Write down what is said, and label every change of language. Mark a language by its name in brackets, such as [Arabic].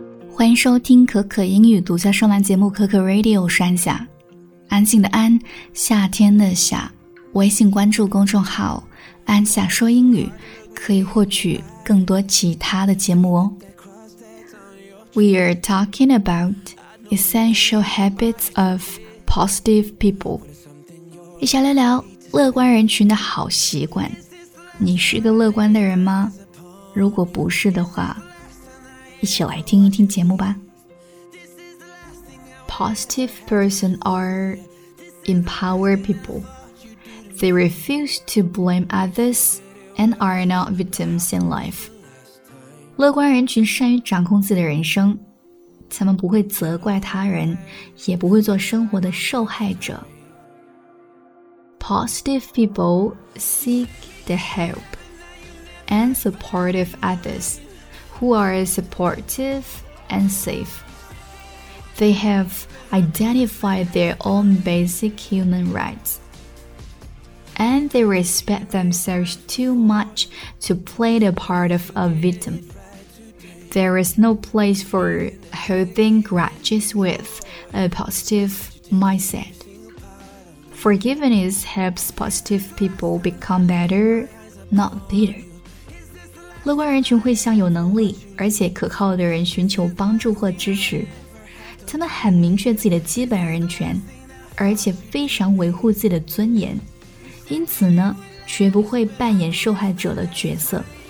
[Chinese] 欢迎收听可可英语独家专栏节目可可 Radio， 山下安静的安，夏天的夏。微信关注公众号安夏说英语，可以获取更多其他的节目哦。 [English] We are talking about essential habits of positive people， [Chinese] 一起聊聊乐观人群的好习惯。你是个乐观的人吗？如果不是的话，一起来听一听节目吧。 [English] Positive person are empower people. They refuse to blame others and are not victims in life. [Chinese] 乐观人群善于掌控自己的人生，他们不会责怪他人，也不会做生活的受害者。 [English] Positive people seek the help and support of others. Who are supportive and safe. They have identified their own basic human rights. And they respect themselves too much to play the part of a victim. There is no place for holding grudges with a positive mindset. Forgiveness helps positive people become better, not bitter. [Chinese] 乐观人群会向有能力而且可靠的人寻求帮助或支持，他们很明确自己的基本人权，而且非常维护自己的尊严，因此呢，绝不会扮演受害者的角色。